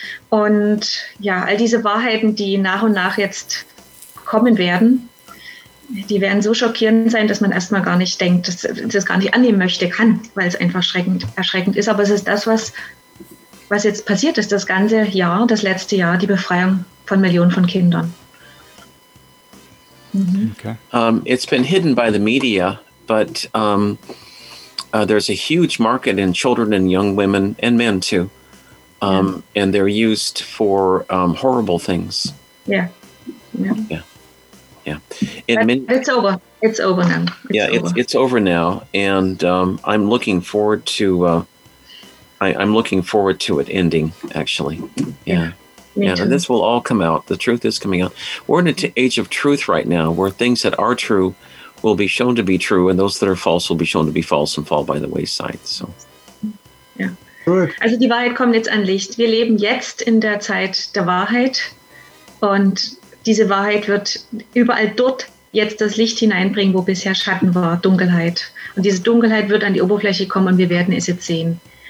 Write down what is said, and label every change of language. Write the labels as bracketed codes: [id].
[de] Und ja, all diese Wahrheiten, die nach und nach jetzt kommen werden, die werden so schockierend sein, dass man erstmal gar nicht denkt, dass man das gar nicht annehmen möchte, kann, weil es einfach erschreckend ist. Aber es ist das, was jetzt passiert ist, das ganze Jahr, das letzte Jahr, die Befreiung von Millionen von Kindern. Okay. [en] It's been hidden by the media, but there's a huge market in children and young women and men too, and they're used for horrible things. It's over. It's over now. It's over now, and I'm looking forward to. I'm looking forward to it ending. Actually, yeah. And this will all come out. The truth is coming out. We're in an age of truth right now, where things that are true will be shown to be true, and those that are false will be shown to be false and fall by the wayside. So, [de] ja. Also die Wahrheit kommt jetzt an Licht. Wir leben jetzt in der Zeit der Wahrheit, und diese Wahrheit wird überall dort jetzt das Licht hineinbringen, wo bisher Schatten war, Dunkelheit. Und diese Dunkelheit wird an die Oberfläche kommen, und wir werden es jetzt sehen.